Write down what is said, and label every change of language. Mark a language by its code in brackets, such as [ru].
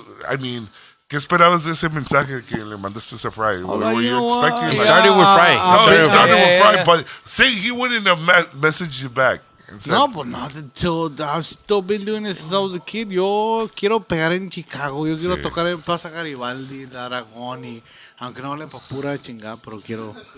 [en] I mean, [es] ¿qué esperabas de ese mensaje que le mandaste a Fry? [en] What were you expecting? He started with Fry. No, he started with Fry. But see, he wouldn't have messaged you back. Instead. No, but not until I've still been doing this since I was a kid. [es] Yo quiero pegar en Chicago. Yo quiero tocar en Plaza Garibaldi, Aragón, y aunque no le pa pura chingada, pero quiero.